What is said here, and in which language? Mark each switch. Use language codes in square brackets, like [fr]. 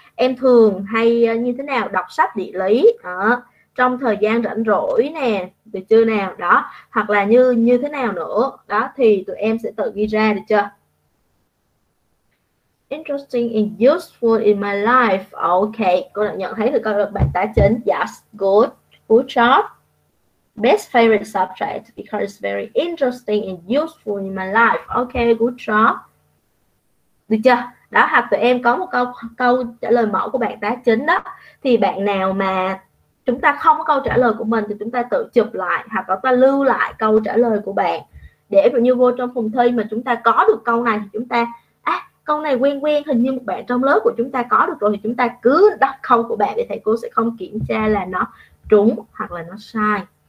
[vi] Em thường hay như thế nào, đọc sách địa lý đó, trong thời gian rảnh rỗi nè, được chưa nào đó, hoặc là như thế nào nữa đó, thì tụi em sẽ tự ghi ra, được chưa? [en] Interesting and useful in my life. [vi] Ok, cô đã nhận thấy từ câu bạn tá chính. [en] Yes, good, good job. Best favorite subject because it's very interesting and useful in my life. Ok, good job. [vi] Được chưa? Đó, hoặc tụi em có một câu trả lời mẫu của bạn tá chính đó. Thì bạn nào mà chúng ta không có câu trả lời của mình thì chúng ta tự chụp lại, hoặc là ta lưu lại câu trả lời của bạn. Để ví dụ như vô trong phòng thi mà chúng ta có được câu này thì chúng ta, câu này quen quen, hình như một bạn trong lớp của chúng ta có được rồi, thì chúng ta cứ đặt câu của bạn để thầy cô sẽ không kiểm tra là nó trúng hoặc là nó sai.